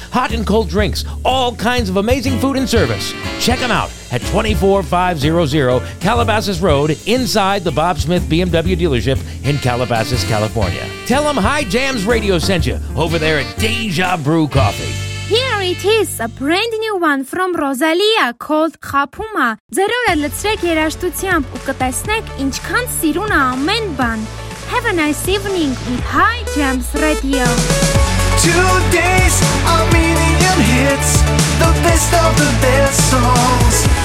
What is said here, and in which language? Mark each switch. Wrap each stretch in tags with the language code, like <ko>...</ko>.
<en>Hot and cold drinks, all kinds of amazing food and service. Check them out at 24500 Calabasas Road inside the Bob Smith BMW dealership in Calabasas, California. Tell them High Jams Radio sent you over there at Deja Brew Coffee. Here it is, a brand new one from Rosalia called Khapuma.</en> <hy>Ձերով է լցրեք երաժշտությամբ ու կտեսնեք ինչքան սիրուն է ամեն բան.</hy> <en>Have a nice evening with High Jams Radio. Today's Armenian hits, the best of the best songs.</en>